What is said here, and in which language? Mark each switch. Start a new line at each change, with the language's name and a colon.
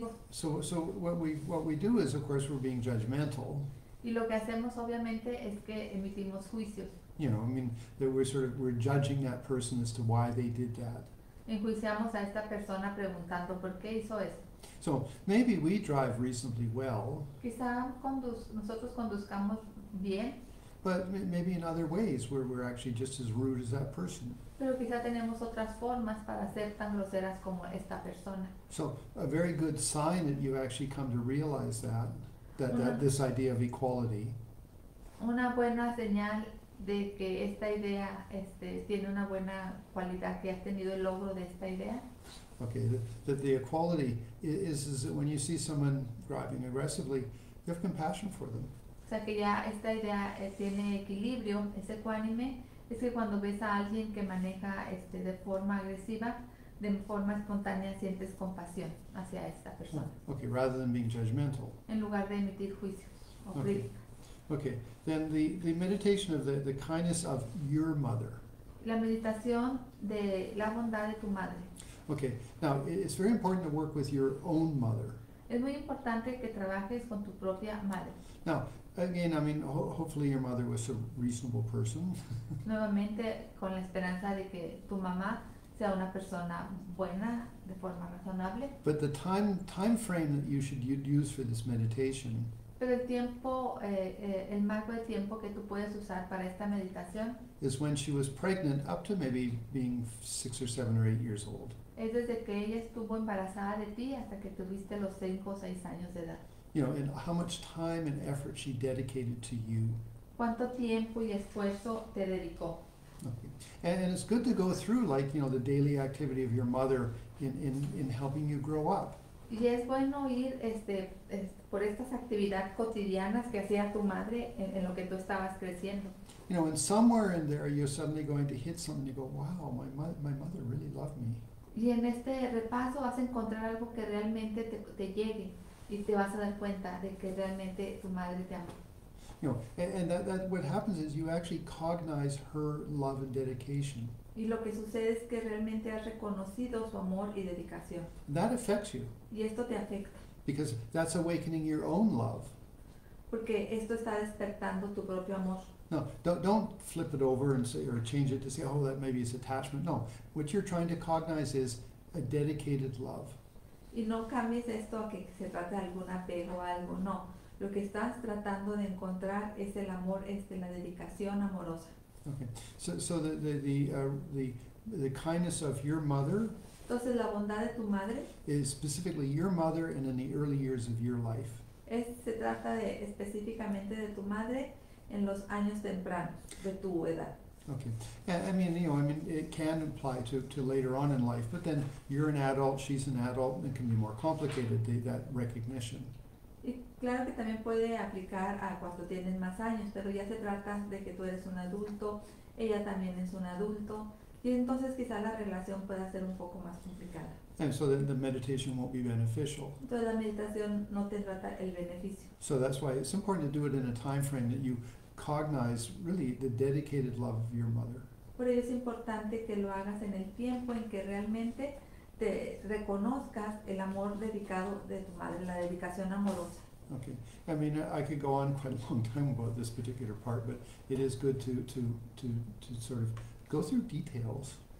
English: So what we do is, of course, we're being judgmental.
Spanish: Y lo que hacemos, obviamente, es que emitimos juicios.
English: We're judging that person as to why they did that.
Spanish: Enjuiciamos a esta persona preguntando por qué hizo eso.
English: So maybe we drive reasonably well.
Spanish: Quizá nosotros conduzcamos bien.
English: But maybe in other ways where we're actually just as rude as that person.
Spanish: Pero quizá tenemos otras formas para ser tan groseras como esta persona.
English: So, a very good sign that you actually come to realize that, that this idea of equality.
Spanish: Una buena señal de que esta idea tiene una buena cualidad, que has tenido el logro de esta idea.
English: Okay, the equality is that when you see someone driving aggressively, you have compassion for them.
Spanish: O sea, que ya esta idea tiene equilibrio, es ecuánime, es que cuando ves a alguien que maneja de forma agresiva, de forma espontánea, sientes compasión hacia esta persona.
English: Okay, rather than being judgmental.
Spanish: En lugar de emitir juicios o críticas.
English: Okay, then the meditation of the kindness of your mother.
Spanish: La meditación de la bondad de tu madre.
English: Okay, now it's very important to work with your own mother.
Spanish: Es muy importante que trabajes con tu propia madre.
English: Now, again, I mean, hopefully your mother was a reasonable person.
Spanish: Nuevamente, con la esperanza de que tu mamá sea una persona buena, de forma razonable.
English: But the time frame that you should use for this meditation.
Spanish: Pero el tiempo, el marco de tiempo que tú puedes usar para esta meditación.
English: Is when she was pregnant, up to maybe being 6 or 7 or 8 years old.
Spanish: Es desde que ella estuvo embarazada de ti hasta que tuviste los 5 o 6 años de edad.
English: You know, and how much time and effort she dedicated to you.
Spanish: ¿Cuánto tiempo y esfuerzo te dedicó?
English: Okay. And it's good to go through, like, you know, the daily activity of your mother in helping you grow up.
Spanish: Y es bueno ir por estas actividades cotidianas que hacía tu madre en lo que tú estabas creciendo.
English: You know, and somewhere in there you're suddenly going to hit something and you go, wow, my mother really loved me.
Spanish: Y en este repaso vas a encontrar algo que realmente te llegue. Y te vas a dar cuenta de que realmente tu madre te ama.
English: You know, and that what happens is you actually cognize her love and dedication.
Spanish: Y lo que sucede es que realmente has reconocido su amor y dedicación.
English: That affects you.
Spanish: Y esto te afecta.
English: Because that's awakening your own love.
Spanish: Porque esto está despertando tu propio amor.
English: No, don't flip it over and say, or change it to say, oh, that maybe is attachment. No, what you're trying to cognize is a dedicated love.
Spanish: Y no cambies esto a que se trate de algún apego o algo, no. Lo que estás tratando de encontrar es el amor, la dedicación amorosa.
English: Okay, so the kindness of your mother.
Spanish: Entonces, la bondad de tu madre.
English: Is specifically your mother and in the early years of your life.
Spanish: Se trata específicamente de tu madre en los años tempranos de tu edad.
English: Okay. I mean, it can apply to later on in life, but then you're an adult, she's an adult, and it can be more complicated, that recognition.
Spanish: Y claro que también puede aplicar a cuando tienes más años, pero ya se trata de que tú eres un adulto, ella también es un adulto, y entonces quizá la relación pueda ser un poco más complicada.
English: And so the meditation won't be beneficial.
Spanish: Entonces la meditación no te trata el beneficio.
English: So that's why it's important to do it in a time frame that you cognize really the dedicated love of your mother.
Spanish: Por eso es importante que lo hagas en el tiempo en que realmente te reconozcas el amor dedicado de tu madre, la dedicación amorosa.
English: Okay. I mean, I could go on quite a long time about this particular part, but it is good to sort of go through details.